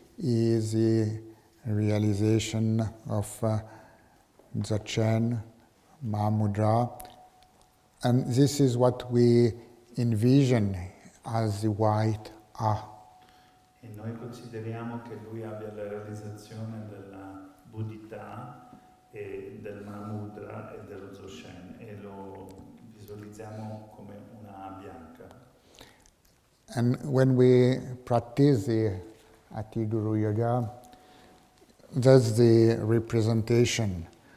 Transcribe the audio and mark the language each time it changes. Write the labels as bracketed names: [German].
[English] He is the realization of Dzogchen, Mahamudra, and this is what we envision as the white ah. [Italian] E noi consideriamo che lui abbia la realizzazione della Buddhità e del Mahamudra e dello Dzogchen, e lo visualizziamo come una A bianca. [English] And when we practice the Ati Guru Yoga, that's the representation.